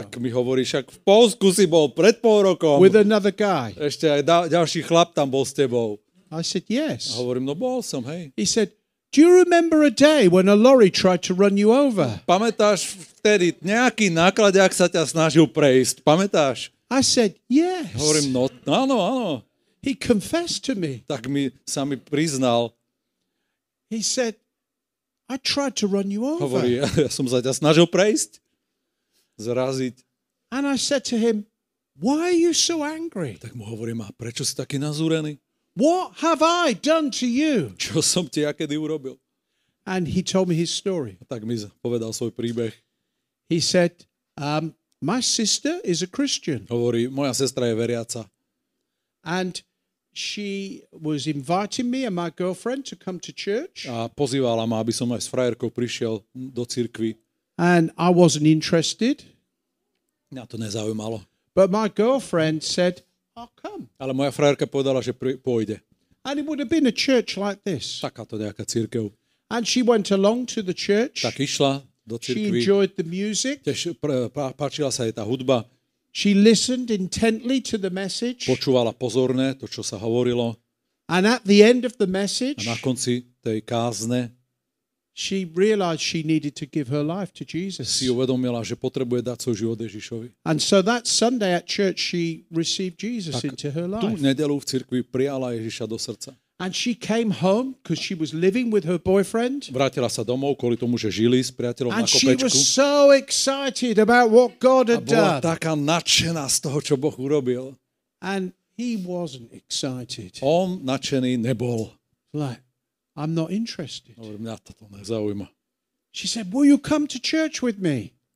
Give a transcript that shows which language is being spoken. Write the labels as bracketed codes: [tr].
[sk] Tak mi hovoríš, ak v Poľsku si bol pred pol rokom. [en] With another guy. [sk] Ešte aj ďalší chlap tam bol s tebou. [en] I said yes. [sk] A hovorím, no bol som, hej. [en] He said, do you remember a day when a lorry tried to run you over? [sk] Pamätáš vtedy nejaký nákladiak sa ťa snažil prejsť? Pamätáš? [en] I said yes. [sk] Hovorím, no áno, áno. [en] He confessed to me. [sk] Tak mi sa mi priznal. [en] He said, I tried to run you over. [sk] Hovorí, ja som sa ťa snažil prejsť, zraziť. [en] And I said to him, why are you so angry? [sk] Tak mu hovorím, a prečo si taký nazúrený? [en] What have I done to you? [sk] Čo som ti ja kedy urobil? [en] And he told me his story. [sk] A tak mi povedal svoj príbeh. [en] He said, my sister is a Christian. [sk] Hovorí, moja sestra je veriaca. [en] And she was inviting me and my girlfriend to come to church. [sk] A pozývala ma, aby som aj s frajerkou prišiel do cirkvi. [en] And I wasn't interested. [sk] Mňa to nezaujímalo. [en] But my girlfriend said, I'll come. [sk] Ale moja frajerka povedala, že pôjde. [en] And it would have been a church like this. [sk] Takáto nejaká cirkev. [en] And she went along to the church. [sk] Tak išla do cirkvi. [en] She enjoyed the music. [sk] Páčila sa jej tá hudba. [en] She listened intently to the message. [sk] Počúvala pozorne to, čo sa hovorilo. [en] And at the end of the message, [sk] a na konci tej kázne, [en] she realized she needed to give her life to Jesus. [sk] Si uvedomila, že potrebuje dať svoj život Ježišovi. [en] And so that Sunday at church she received Jesus into her life. [sk] Tú nedeľu v cirkvi prijala Ježiša do srdca. [en] And she came home because she was living with her boyfriend. [sk] Vrátila sa domov kvôli tomu, že žili s priateľom [en] and [sk] na kopečku. [en] And she was so excited about what God had done. [sk] A bola taká nadšená z toho, čo Boh urobil. [en] And he wasn't excited. [sk] On nadšený nebol. [en] Like, I'm not interested. [sk] Hovorí, mňa toto nezaujíma. [en] She said, will you come to church with me?